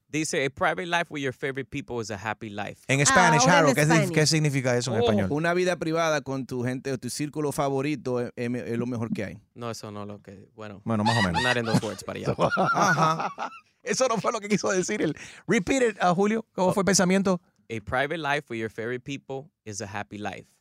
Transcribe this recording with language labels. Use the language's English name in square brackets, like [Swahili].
[English] Dice, a private life with your favorite people is a happy life. [Spanish] En Spanish, Harold, ¿qué significa eso en español? Una vida privada con tu gente o tu círculo favorito es lo mejor que hay. No, eso no es lo que... Bueno. Bueno, más o menos. [English] Not in those words, [Spanish] para allá. Eso no fue lo que quiso decir él. [English] Repeat it, [Spanish] Julio. ¿Cómo fue el pensamiento? [English] A private life with your favorite people is a happy life.